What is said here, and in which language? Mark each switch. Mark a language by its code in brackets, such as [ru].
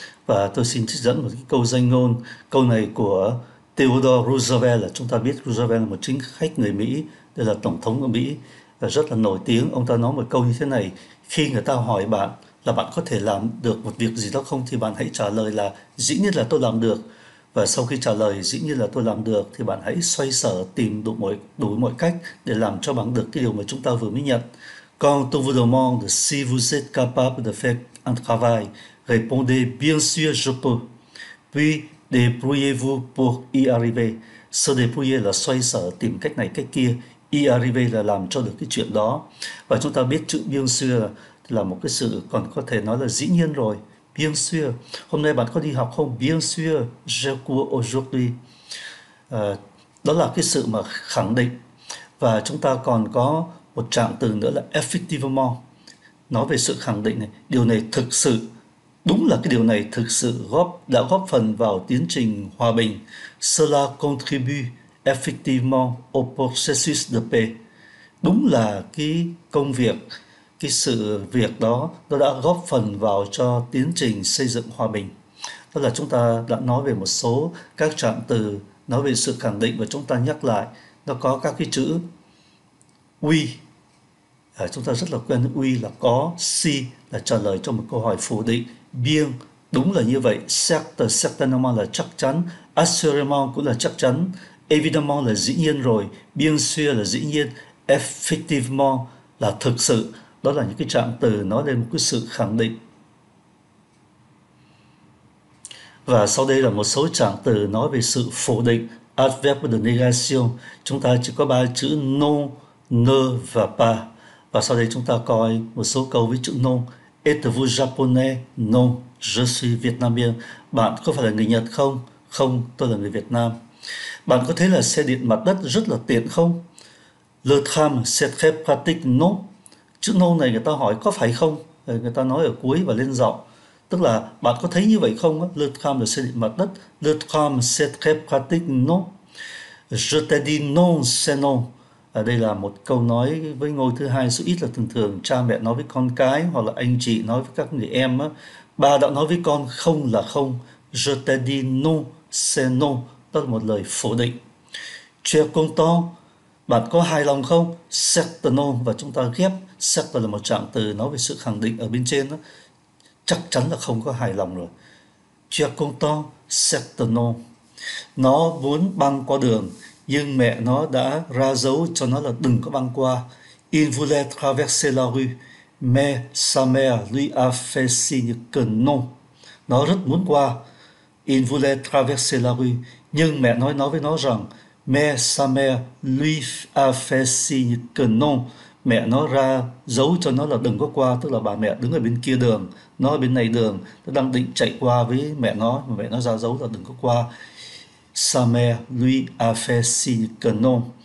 [vi] Và tôi xin trích dẫn một cái câu danh ngôn. Câu này của Theodore Roosevelt, là chúng ta biết Roosevelt là một chính khách người Mỹ, đây là tổng thống của Mỹ, là rất là nổi tiếng. Ông ta nói một câu như thế này: khi người ta hỏi bạn là bạn có thể làm được một việc gì đó không, thì bạn hãy trả lời là dĩ nhiên là tôi làm được. Và sau khi trả lời dĩ nhiên là tôi làm được, thì bạn hãy xoay sở tìm đủ mọi cách để làm cho bằng được cái điều mà chúng ta vừa mới nhận. [fr] Quand on vous demande si vous êtes capable de faire un travail, répondez bien sûr je peux. Puis débrouillez-vous pour y arriver. [vi] Se débrouiller là xoay sở tìm cách này cách kia. Y arriver là làm cho được cái chuyện đó. Và chúng ta biết chữ bien sûr là một cái sự còn có thể nói là dĩ nhiên rồi. Bien sûr. Hôm nay bạn có đi học không? [fr] Bien sûr, je cours aujourd'hui. [vi] À, đó là cái sự mà khẳng định. Và chúng ta còn có một trạng từ nữa là effectivement. Nói về sự khẳng định này. Điều này thực sự, đúng là cái điều này thực sự đã góp phần vào tiến trình hòa bình. [fr] Cela contribue effectivement au processus de paix. [vi] Đúng là cái công việc, cái sự việc đó, nó đã góp phần vào cho tiến trình xây dựng hòa bình. Đó là chúng ta đã nói về một số các trạng từ nói về sự khẳng định, và chúng ta nhắc lại, nó có các cái chữ oui. À, chúng ta rất là quen oui là có, si là trả lời cho một câu hỏi phủ định, bien đúng là như vậy, certainement là chắc chắn, assurément cũng là chắc chắn, Évidemment là dĩ nhiên rồi, bien sûr là dĩ nhiên, effectivement là thực sự. Đó là những cái trạng từ nói lên một cái sự khẳng định. Và sau đây là một số trạng từ nói về sự phủ định, adverb de négation. Chúng ta chỉ có ba chữ non, ne và pas. Và sau đây chúng ta coi một số câu với chữ non. [fr] Êtes-vous japonais? Non, je suis vietnamien. [vi] Bạn có phải là người Nhật không? Không, tôi là người Việt Nam. Bạn có thấy là xe điện mặt đất rất là tiện không? [fr] Le tram, c'est très pratique, non? [vi] Chữ non này người ta hỏi có phải không? Người ta nói ở cuối và lên giọng. Tức là bạn có thấy như vậy không? Le tram là xe điện mặt đất. [fr] Le tram, c'est très pratique, non? Je t'ai dit non, c'est non. [vi] Ở đây là một câu nói với ngôi thứ hai số ít, là thường thường cha mẹ nói với con cái hoặc là anh chị nói với các người em á. Ba đã nói với con không là không. [fr] Je t'ai dit non, c'est non. [vi] Đó là một lời phủ định. [fr] Tu es content? [vi] Bạn có hài lòng không? [fr] Certainement. [vi] Và chúng ta ghép certainement là một trạng từ nói về sự khẳng định ở bên trên đó. Chắc chắn là không có hài lòng rồi. [fr] Tu es content? Certainement. [vi] Nó muốn băng qua đường nhưng mẹ nó đã ra dấu cho nó là đừng có băng qua. [fr] Il voulait traverser la rue, mais sa mère lui a fait signe que non. [vi] Nó rất muốn qua. [fr] Il voulait traverser la rue, [vi] nhưng mẹ nói với nó rằng [fr] mais sa mère lui a fait signe que non. [vi] Mẹ nó ra dấu cho nó là đừng có qua, tức là bà mẹ đứng ở bên kia đường, nó ở bên này đường, nó đang định chạy qua với mẹ nó mà mẹ nó ra dấu là đừng có qua. [fr] Sa mère lui a fait signe que non.